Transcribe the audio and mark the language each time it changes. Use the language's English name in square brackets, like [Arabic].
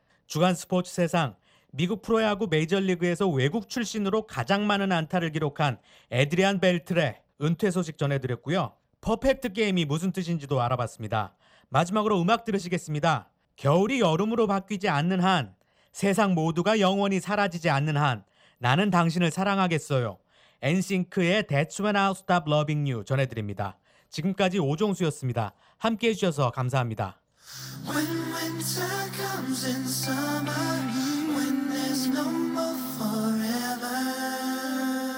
[Korean] 주간 스포츠 세상, 미국 프로야구 메이저리그에서 외국 출신으로 가장 많은 안타를 기록한 애드리안 벨트레 은퇴 소식 전해드렸고요. 퍼펙트 게임이 무슨 뜻인지도 알아봤습니다. 마지막으로 음악 들으시겠습니다. 겨울이 여름으로 바뀌지 않는 한, 세상 모두가 영원히 사라지지 않는 한, 나는 당신을 사랑하겠어요. 엔싱크의 That's When I'll Stop Loving You 전해드립니다. 지금까지 오종수였습니다. 함께해 주셔서 감사합니다. [English] When winter comes in summer, when there's no more forever.